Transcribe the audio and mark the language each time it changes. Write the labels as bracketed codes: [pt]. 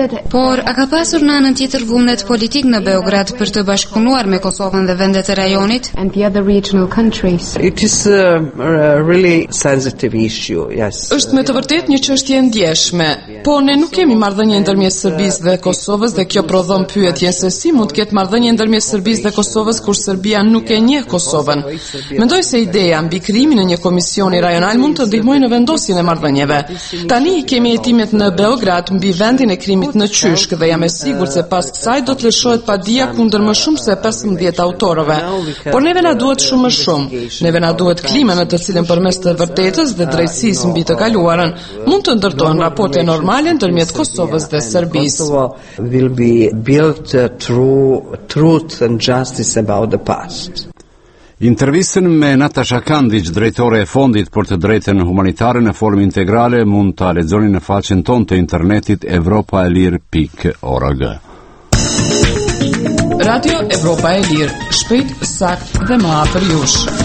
[sq] Por a ka pasur në anën tjetër vullnet politik në Beograd për të bashkëpunuar me Kosovën dhe vendet e rajonit? [en] And the other regional countries. It is a really sensitive issue. Yes. [sq] Është me të vërtetë një çështje ndjeshme. Po ne nuk kemi marrëdhënie ndërmjet Serbisë dhe Kosovës dhe kjo prodhon pyetjen se si mund të ketë marrëdhënie ndërmjet Serbisë dhe Kosovës kur Serbia nuk e njeh Kosovën. Mendoj se ideja mbi krijimin e një komisioni rajonal mund të ndihmojë në vendosjen e marrëdhënieve. Tani kemi hetimet në Beograd mbi vendin e krimit në Qyshk dhe jam e sigurt se pas kësaj do të lëshohet padia kundër më shumë se 15 autorëve. Por neve na duhet shumë më shumë. Neve na duhet klima në të cilën përmes të vërtetës dhe drejtësisë mbi të kaluarën mund të ndërtohen raporte normale ndërmjet Kosovës dhe Serbisë. [en] Will be built through truth and justice about the past. [sq] Intervistën me Natasha Kandic, drejtore e fondit për të drejtën humanitare në formë integrale, mund ta lexoni në faqen tonë të internetit europaelir.org. Radio Evropa e Lirë, shpejt, sakt dhe më afër jush.